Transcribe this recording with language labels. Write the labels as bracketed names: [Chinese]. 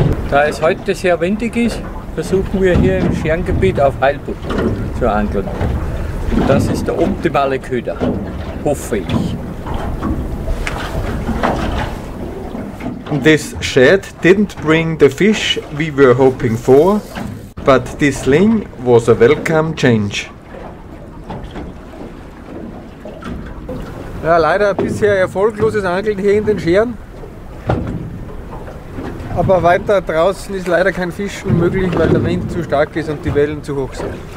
[German] Da es heute sehr windig ist, versuchen wir hier im Scherngebiet auf Halibut zu angeln. Und das ist der optimale Köder, hoffe ich. [English] This shad didn't bring the fish we were hoping for, but this sling was a welcome change. [German] Ja, leider bisher erfolgloses Angeln hier in den Scheren. Aber weiter draußen ist leider kein Fischen möglich, weil der Wind zu stark ist und die Wellen zu hoch sind.